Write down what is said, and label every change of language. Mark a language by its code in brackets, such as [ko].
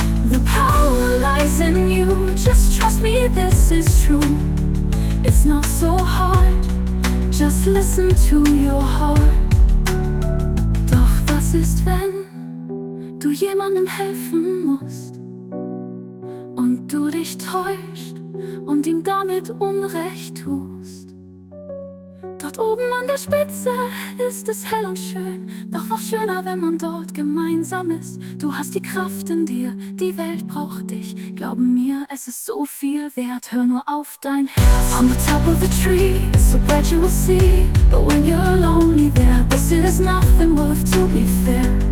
[en] The power lies in you, just trust me, this is true. It's not so hard, just listen to your heart. [de] Doch was ist, wenn du jemandem helfen musst und du dich täuscht und ihm damit Unrecht tust? Dort oben an der Spitze ist es hell und schön, doch noch schöner, wenn man dort gemeinsam ist. Du hast die Kraft in dir, die Welt braucht dich. Glaub mir, es ist so viel wert, hör nur auf dein Herz. [en] On the top of the tree, it's so bright you will see. But when you're lonely there, this is nothing worth to be fair.